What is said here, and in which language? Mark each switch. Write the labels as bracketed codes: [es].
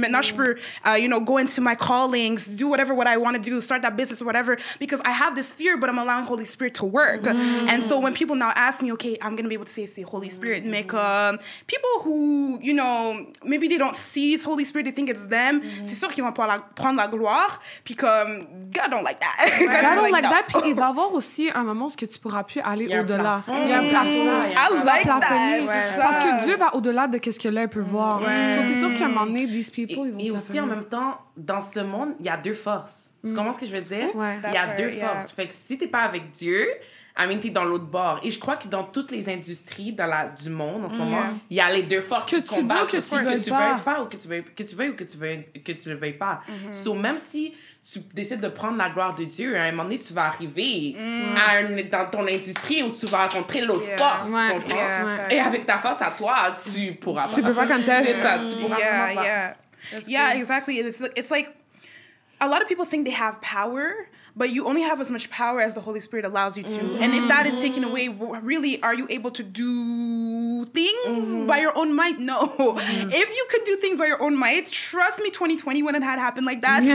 [fr] Maintenant, je peux, [en] you know, go into my callings, do whatever what I want to do, start that business or whatever, because I have this fear, but I'm allowing Holy Spirit to work. Mm-hmm. And so when people now ask me, okay, I'm going to be able to say it's the Holy Spirit. Mm-hmm. Make people who, you know, maybe they don't see it's Holy Spirit, they think it's them. [fr] Mm-hmm. C'est sûr qu'ils vont pouvoir prendre la gloire, puis comme, [en] God don't like that. Right. God don't like that. [fr] Puis il va y avoir aussi un moment où tu pourras plus aller au-delà. Il y a un plafond. [en] I was like that. Ouais. [fr] Parce que Dieu va au-delà de ce que l'œil peut voir. Ouais. So, c'est sûr qu'à un moment donné, [en] these people, [fr] ils vont. Et aussi, en même temps, dans ce monde, il y a deux forces. Tu comprends ce que je veux dire? Ouais. Il y a deux forces. Fait que si t'es pas avec Dieu, [en] I mean, [fr] t'es dans l'autre bord. Et je crois que dans toutes les industries du monde en ce moment, il y a les deux forces que tu combattent. Que tu veux ou que tu veuilles Que tu veuilles ou que tu veuilles pas. Mm-hmm. So, même si tu décides de prendre la gloire de Dieu, à un moment donné, tu vas arriver dans ton industrie où tu vas rencontrer l'autre force. Ouais. Ton corps. Yeah, et avec ta force à toi, tu pourras pas. Tu peux pas contester. C'est ça, tu pourras pas. [en] Yeah, exactly. It's like, a lot of people think they have power, but you only have as much power as the Holy Spirit allows you to. Mm-hmm. And if that is taken away, really, are you able to do things by your own might? No. Mm-hmm. If you could do things by your own might, trust me, 2020 wouldn't have happened like that. Yeah.